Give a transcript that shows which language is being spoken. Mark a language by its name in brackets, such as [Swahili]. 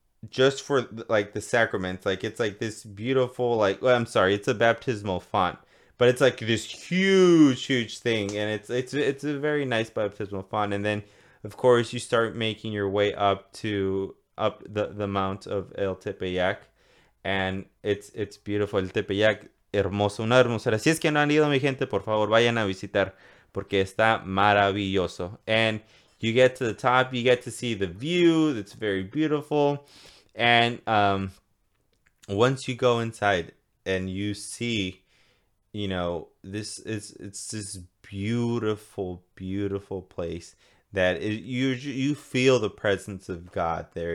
[English] just for like the sacraments. Like it's like this beautiful, like, well, I'm sorry, it's a baptismal font, but it's like this huge thing, and it's a very nice baptismal font. And then of course you start making your way up the mount of El Tepeyac, and it's beautiful. [Spanish] El Tepeyac, hermoso, una hermosura. Si es que no han ido, mi gente, por favor vayan a visitar porque está maravilloso. [English] And you get to the top, you get to see the view. It's very beautiful. And once you go inside and you see, you know, this is, it's this beautiful, beautiful place that it, you feel the presence of God there.